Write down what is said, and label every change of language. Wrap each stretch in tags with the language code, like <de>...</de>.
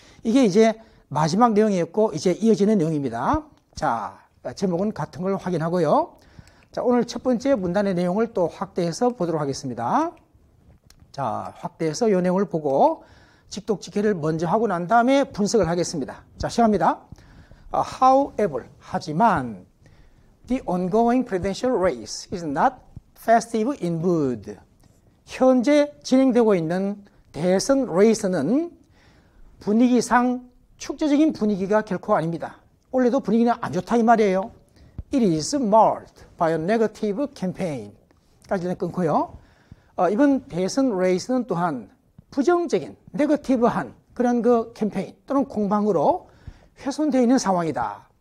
<ko>이게 이제 마지막 내용이었고 이제 이어지는 내용입니다. 자, 제목은 같은 걸 확인하고요. 자, 오늘 첫 번째 문단의 내용을 또 확대해서 보도록 하겠습니다. 자, 확대해서 요 내용을 보고 직독직해를 먼저 하고 난 다음에 분석을 하겠습니다. 자, 시작합니다.</ko> <en>However,</en> <ko>하지만</ko> <en>the ongoing presidential race is not festive in mood.</en> <ko>현재 진행되고 있는 대선 레이스는 분위기상 축제적인 분위기가 결코 아닙니다. 원래도 분위기는 안 좋다 이 말이에요.</ko> <en>It is marred by a negative campaign.</en> <ko>까지는 끊고요. 이번 대선 레이스는 또한 부정적인, 네거티브한 그런 그 캠페인 또는 공방으로 훼손되어 있는 상황이다.</ko>